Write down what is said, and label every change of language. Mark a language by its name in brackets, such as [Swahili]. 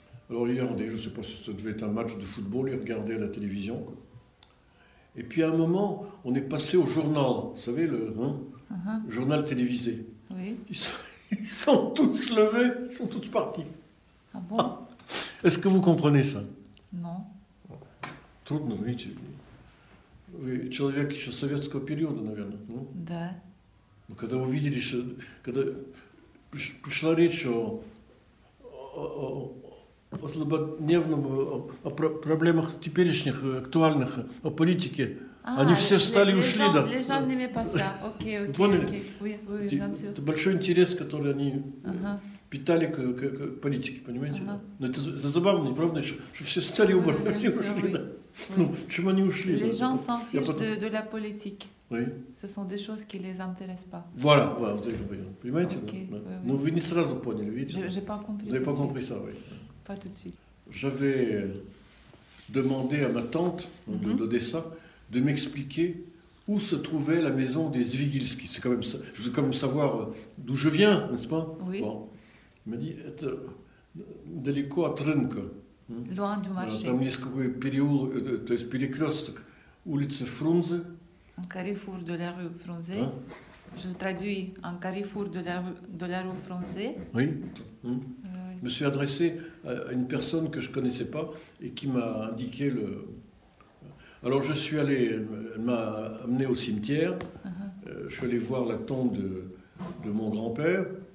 [French] Alors ils regardaient, je ne sais pas si ça devait être un match de football, ils regardaient la télévision, quoi. Et puis à un moment, on est passé au journal, vous savez, le journal télévisé. Oui. Ils sont tous levés, ils sont tous partis. Ah bon? Est-ce que vous comprenez ça? Non. [Russian] Трудно, видите. Вы человек еще советского периода, наверное, ну? Да. Но когда вы видели, что когда пришла речь о злободневном, о проблемах теперешних, актуальных, о политике, они все встали и ушли, да? [French] Les gens n'aimaient pas ça. [Russian] Окей. Поняли? [French] Oui, bien sûr. [Russian] Это большой интерес, который они питали к политике, понимаете? Но это забавно, не правда, что все встали и ушли, да? [French] Oui. [Russian] Ну, ушли, [French] les gens s'en fichent de la politique. Oui. Ce sont des choses qui ne les intéressent pas. Voilà, vous avez compris. Vous comprenez? Okay. Oui. Vous n'avez pas compris. Je n'ai pas compris. Vous n'avez pas compris ça, oui. Pas tout de suite. J'avais demandé à ma tante d'Odessa de m'expliquer où se trouvait la maison des Zvigilski. C'est quand même ça. Je veux quand même savoir d'où je viens, n'est-ce pas? Oui. Bon. Elle m'a dit être [Russian] далеко от рынка. [French] Loin du marché. [Russian] Там есть какой переулок, то есть перекресток, улица Фрунзе. [French] Un carrefour de la rue Frunze. Je traduis un carrefour de la rue Frunze. Oui. Je me suis adressé à une personne que je connaissais pas et qui m'a indiqué le. Alors je suis allé, elle m'a amené au cimetière. Je suis allé voir la tombe de mon grand-père.